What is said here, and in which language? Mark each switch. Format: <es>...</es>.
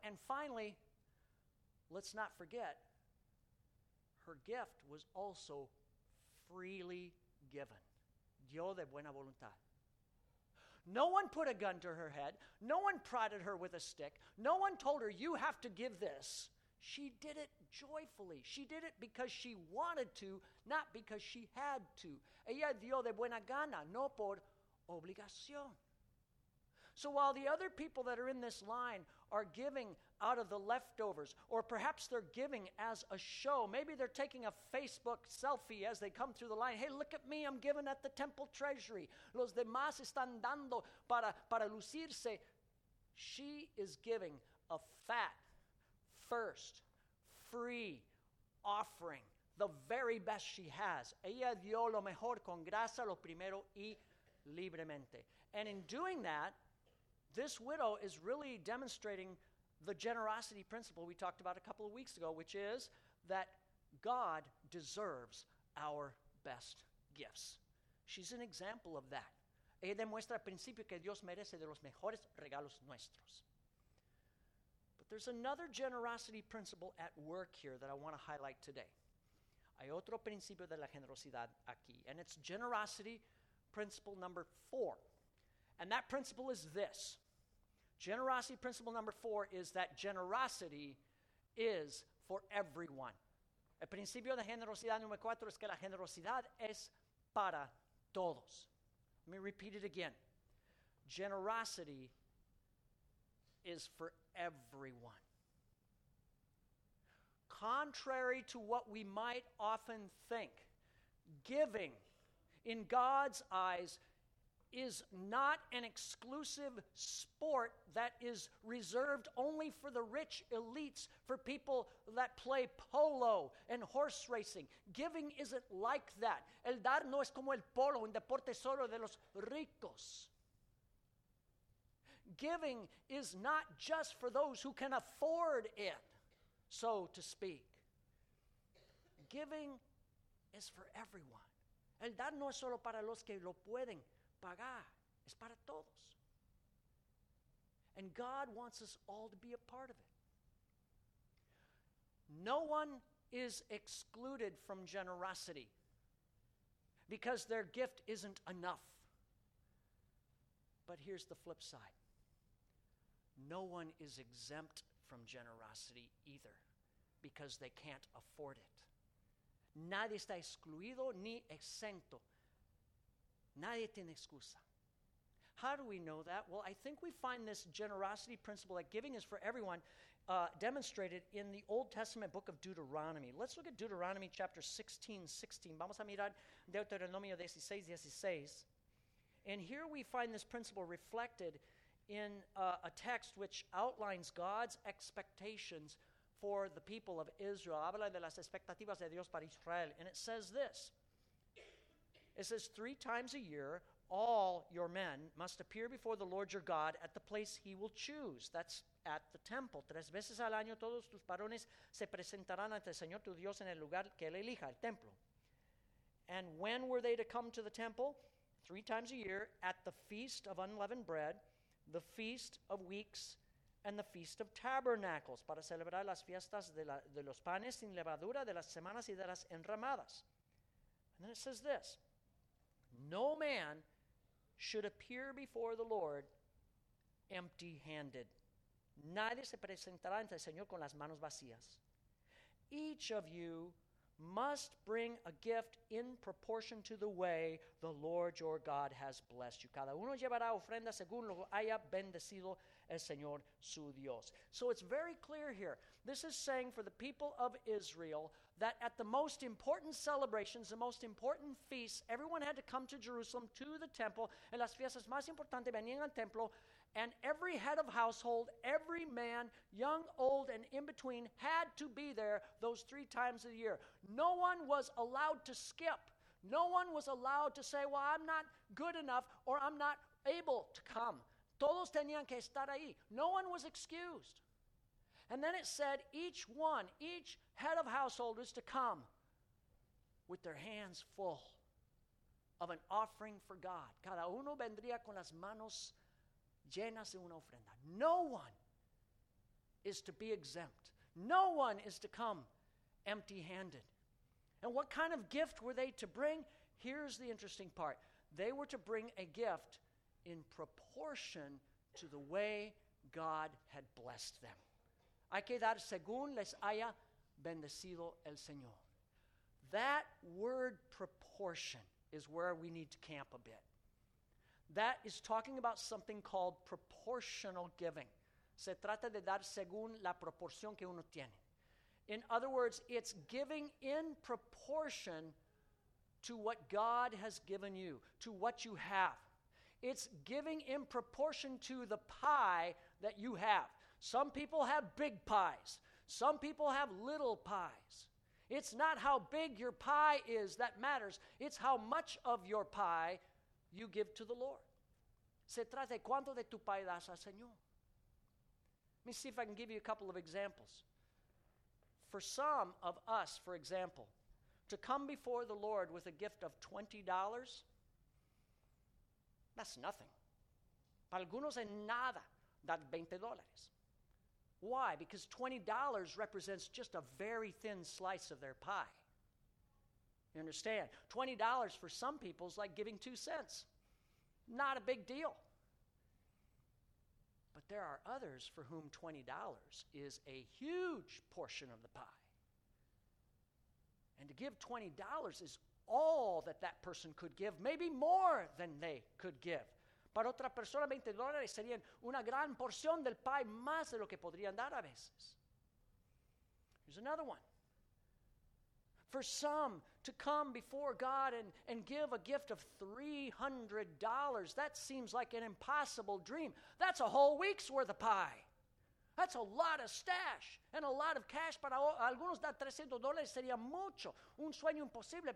<en>And finally, let's not forget, her gift was also freely given.</en> <es>Dio de buena voluntad.</es> <en>No one put a gun to her head. No one prodded her with a stick. No one told her, you have to give this. She did it joyfully. She did it because she wanted to, not because she had to.</en> <es>Ella dio de buena gana, no por obligación.</es> <en>So while the other people that are in this line are giving out of the leftovers, or perhaps they're giving as a show, maybe they're taking a Facebook selfie as they come through the line. Hey, look at me, I'm giving at the temple treasury.</en> <es>Los demás están dando para lucirse.</es> <en>She is giving a fat, first, free offering, the very best she has.</en> <es>Ella dio lo mejor con grasa, lo primero y libremente.</es> <en>And in doing that, this widow is really demonstrating the generosity principle we talked about a couple of weeks ago, which is that God deserves our best gifts. She's an example of that.</en> <es>Ella demuestra el principio que Dios merece de los mejores regalos nuestros.</es> <en>But there's another generosity principle at work here that I want to highlight today.</en> <es>Hay otro principio de la generosidad aquí,</es> <en>and it's generosity principle number 4. And that principle is this. Generosity principle number 4 is that generosity is for everyone.</en> <es>El principio de generosidad número 4 es que la generosidad es para todos.</es> <en>Let me repeat it again. Generosity is for everyone. Contrary to what we might often think, giving in God's eyes is not an exclusive sport that is reserved only for the rich elites, for people that play polo and horse racing. Giving isn't like that.</en> <es>El dar no es como el polo, un deporte solo de los ricos.</es> <en>Giving is not just for those who can afford it, so to speak. Giving is for everyone.</en> <es>El dar no es solo para los que lo pueden. Pagar es para todos.</es> <en>And God wants us all to be a part of it. No one is excluded from generosity because their gift isn't enough. But here's the flip side. No one is exempt from generosity either because they can't afford it.</en> <es>Nadie está excluido ni exento. Nadie tiene excusa.</es> <en>How do we know that? Well, I think we find this generosity principle that giving is for everyone demonstrated in the Old Testament book of Deuteronomy. Let's look at Deuteronomy chapter 16, 16.</en> <es>Vamos a mirar Deuteronomio 16, 16.</es> <en>And here we find this principle reflected in a text which outlines God's expectations for the people of Israel.</en> <es>Habla de las expectativas de Dios para Israel.</es> <en>And it says this. It says, three times a year, all your men must appear before the Lord your God at the place he will choose. That's at the temple.</en> <es>Tres veces al año, todos tus varones se presentarán ante el Señor tu Dios en el lugar que él elija, el templo.</es> <en>And when were they to come to the temple? Three times a year, at the feast of unleavened bread, the feast of weeks, and the Feast of Tabernacles,</en> <es>para celebrar las fiestas de, la, de los panes sin levadura, de las semanas y de las enramadas.</es> <en>And then it says this, no man should appear before the Lord empty-handed.</en> <es>Nadie se presentará ante el Señor con las manos vacías.</es> <en>Each of you must bring a gift in proportion to the way the Lord your God has blessed you.</en> <es>Cada uno llevará ofrenda según lo haya bendecido el Señor su Dios.</es> <en>So it's very clear here. This is saying for the people of Israel that at the most important celebrations, the most important feasts, everyone had to come to Jerusalem, to the temple.</en> <es>En las fiestas más importantes venían al templo.</es> <en>And every head of household, every man, young, old, and in between, had to be there those three times of the year. No one was allowed to skip. No one was allowed to say, well, I'm not good enough or I'm not able to come.</en> <es>Todos tenían que estar ahí.</es> <en>No one was excused. And then it said each one, each head of household was to come with their hands full of an offering for God.</en> <es>Cada uno vendría con las manos llenas de una ofrenda.</es> <en>No one is to be exempt. No one is to come empty-handed. And what kind of gift were they to bring? Here's the interesting part. They were to bring a gift in proportion to the way God had blessed them.</en> <es>Hay que dar según les haya bendecido el Señor.</es> <en>That word proportion is where we need to camp a bit. That is talking about something called proportional giving.</en> <es>Se trata de dar según la proporción que uno tiene.</es> <en>In other words, it's giving in proportion to what God has given you, to what you have. It's giving in proportion to the pie that you have. Some people have big pies. Some people have little pies. It's not how big your pie is that matters. It's how much of your pie you give to the Lord.</en> <es>Se trata de cuánto de tu pie das al Señor.</es> <en>Let me see if I can give you a couple of examples. For some of us, for example, to come before the Lord with a gift of $20, that's nothing.</en> <es>Para algunos es nada dar $20.</es> <en>Why? Because $20 represents just a very thin slice of their pie. You understand? $20 for some people is like giving 2 cents. Not a big deal. But there are others for whom $20 is a huge portion of the pie. And to give $20 is all that that person could give, maybe more than they could give.</en> <es>Para otra persona, $20 serían una gran porción del pie, más de lo que podrían dar a veces.</es> <en>Here's another one. For some, to come before God and give a gift of $300, that seems like an impossible dream. That's a whole week's worth of pie. That's a lot of stash and a lot of cash.</en> <es>Para algunos, dar $300 sería mucho, un sueño imposible.</es>